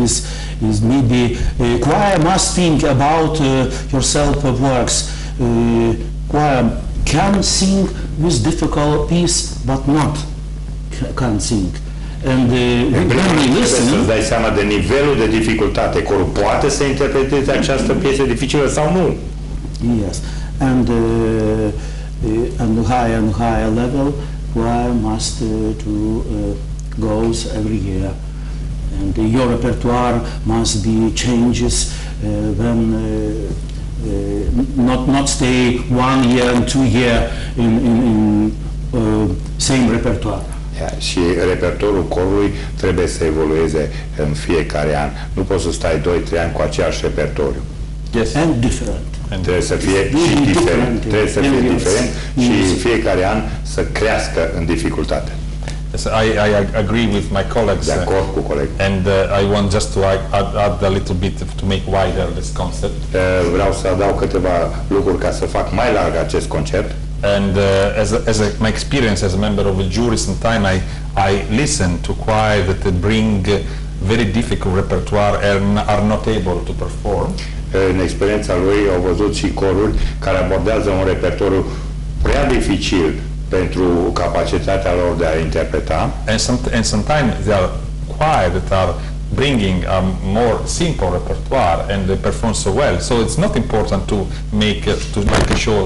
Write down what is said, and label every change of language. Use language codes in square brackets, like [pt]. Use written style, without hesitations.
[en] Yes, but is maybe choir must think about yourself works. Choir can sing with difficult piece, but not can sing. And when we listen, [ro] trebuie să dai seama de nivelul de dificultate. Corul poate să interpreteze această piesă dificilă sau nu? [en] Yes. And higher and higher level, choir must to goes every year. And your repertoire must be changes when. Not stay 1 year and 2 year in same repertoire. [ro] Yeah, și repertorul corului trebuie să evolueze în fiecare an. Nu poți să stai 2-3 ani cu același repertoriu. [en] Yes. And different. [ro] Trebuie să fie și diferent. Trebuie să fie diferent și fiecare an să crească în dificultate. [en] Yes, I agree with my colleagues. [ro] De acord cu coleg. [en] And I want just to add a little bit to make wider this concept. [ro] Vreau să adaug câteva lucruri ca să fac mai larg acest concept. [en] And as my experience as a member of a jury, sometimes I listen to choir that bring very difficult repertoire and are not able to perform. [ro] În experiența lui, au văzut și coruri care abordează un repertoriu prea dificil pentru capacitatea lor de a interpreta. [en] And sometimes there are choir that are bringing a more simple repertoire and they perform so well. So it's not important to make a show.